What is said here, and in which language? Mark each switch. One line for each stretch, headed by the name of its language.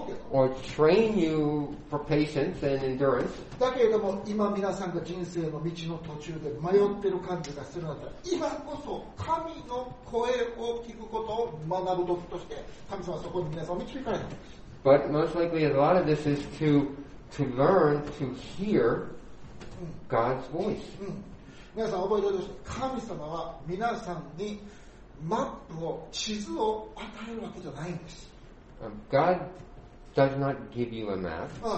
English: Or train you for patience and endurance.
Japanese: だけれども今皆さんが人生の道の途中で迷ってる感じがするなら今こそ神の声を聞くことを学ぶ時として神様はそこに皆さんを導かれています。
English: But most likely a lot of this is to learn to hear God's voice.
Japanese: 皆さん覚えておいてください。神様は皆さんにマップを地図を与えるわけじゃないんです。
English: God does not give you a map.